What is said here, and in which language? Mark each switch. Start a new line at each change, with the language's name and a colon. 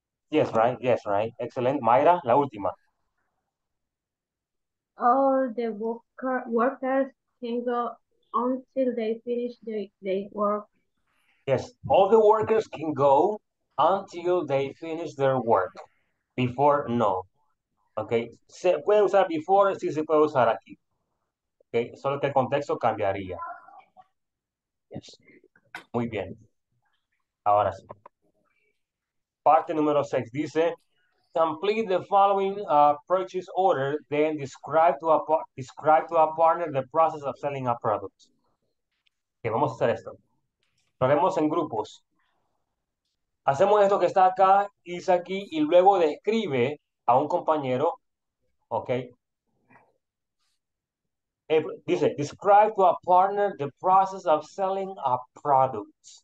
English: Yes, right. Excellent.
Spanish: Mayra, la última.
English: All the workers can go until they finish their work. Yes, all the workers can go until they finish their work. Before, no. Okay,
Spanish: se puede usar
English: before,
Spanish: sí se puede usar aquí. Okay, solo que el contexto cambiaría.
English: Yes,
Spanish: muy bien. Ahora sí. Parte número 6 dice...
English: Complete the following purchase order, then describe to a partner the process of selling a product.
Spanish: Okay, vamos a hacer esto. Lo haremos en grupos. Hacemos esto que está acá, dice aquí, y luego describe a un compañero, okay. Dice,
English: describe to a partner the process of selling a product.